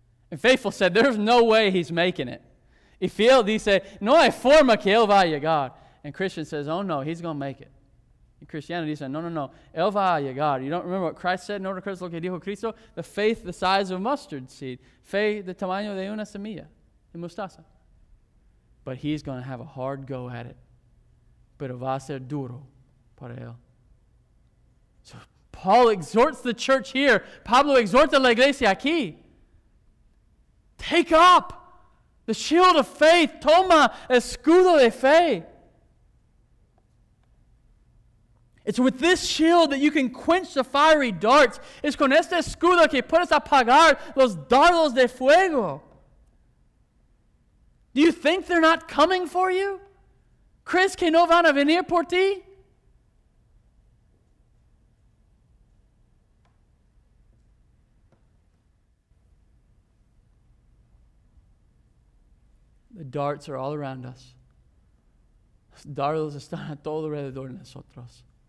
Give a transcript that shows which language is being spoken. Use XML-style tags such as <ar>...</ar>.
<en>And faithful said, there's no way he's making it.</en> <es>Y fiel dice, no hay forma que él va a llegar.</es> <en>And Christian says, oh no, he's going to make it. in Christianity, he said, no,</en> <es>él va a llegar.</es> <en>You don't remember what Christ said in order to Christ,</en> <es>lo que dijo Cristo?</es> <en>The faith the size of mustard seed.</en> <es>Fe de tamaño de una semilla, de mostaza.</es> <en>But he's going to have a hard go at it.</en> <es>Pero va a ser duro para él.</es> <en>So Paul exhorts the church here.</en> <es>Pablo exhorta la iglesia aquí.</es> <en>Take up the shield of faith.</en> <es>Toma escudo de fe.</es> <en>It's with this shield that you can quench the fiery darts.</en> <es>Es con este escudo que puedes apagar los dardos de fuego.</es> <en>Do you think they're not coming for you?</en> <es>Chris, que no van a venir por ti?</es> <en>The darts are all around us.</en> <es>Los dardos están a todo alrededor de nosotros.</es>